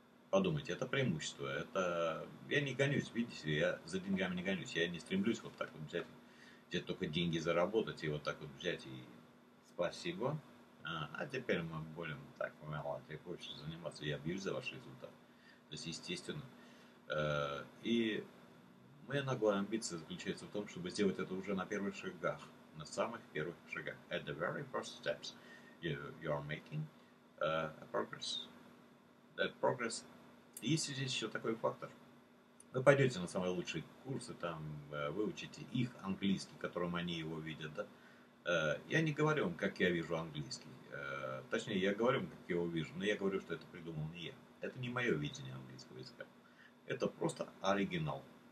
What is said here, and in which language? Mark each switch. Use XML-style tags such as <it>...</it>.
<ru>Подумайте, это преимущество, это я не гонюсь, видите, я за деньгами не гонюсь, я не стремлюсь вот так вот взять, где-то только деньги заработать и вот так вот взять и спасибо. А теперь мы будем так, ты хочешь заниматься, я бьюсь за ваш результат. То есть, естественно. И моя наглая амбиция заключается в том, чтобы сделать это уже на первых шагах, на самых первых шагах.</ru> <en>At the very first steps you are making a progress. That progress.</en> <ru>Есть здесь еще такой фактор. Вы пойдете на самые лучшие курсы, там выучите их английский, которым они его видят, да? Я не говорю вам, как я вижу английский. Точнее, я говорю вам, как я его вижу, но я говорю, что это придумал не я. Это не мое видение английского языка. Это просто оригинал.</ru>